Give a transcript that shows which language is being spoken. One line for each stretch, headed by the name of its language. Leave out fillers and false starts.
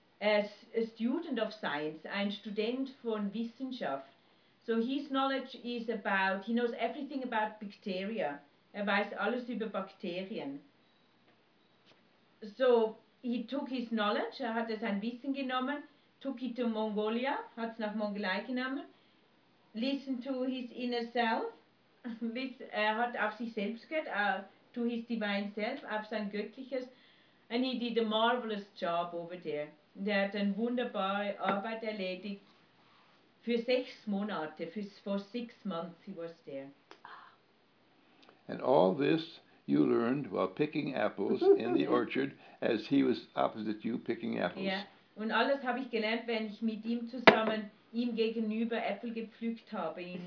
English: A student of science,
German: ein Student von Wissenschaft.
English: So his knowledge is about, he knows everything about bacteria.
German: Er weiß alles über Bakterien.
English: So he took his knowledge,
German: er hat sein Wissen genommen,
English: took it to Mongolia,
German: hat es nach Mongolei genommen,
English: listened to his inner self,
German: er hat auf sich selbst gehört,
English: to his divine self,
German: auf sein Göttliches,
English: and he did a marvelous job over there. Und er hat eine wunderbare Arbeit erledigt für 6 Monate, for 6 months he was there. And all this you learned while picking apples in the orchard, as he was opposite you picking apples. Yeah.
German: Und alles habe ich gelernt, wenn ich mit ihm zusammen, ihm gegenüber Äpfel gepflückt habe.